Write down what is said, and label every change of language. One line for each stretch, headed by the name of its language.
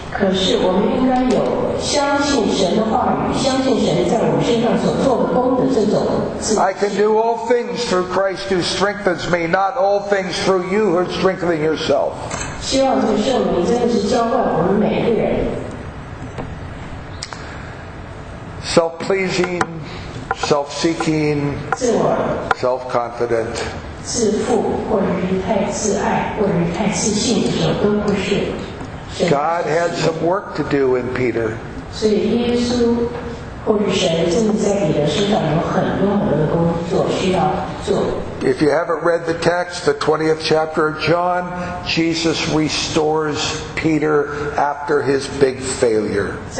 Chinese: 可是我们应该有相信神的话语，相信神在我们身上所做的功的这种自信。
English: I can do all things through Christ who strengthens me, not all things through you who are strengthening yourself.
Chinese: 希望这个圣灵真的是浇灌我们每一个人。
English: Self-pleasing, self-seeking,
Chinese: 自我
English: self-confident,
Chinese: 自负或者是太自爱或者是太自信的时候都不是。
English: God had some work to do in Peter. If you haven't read the text, the 20th chapter of John, Jesus restores Peter after his big failure.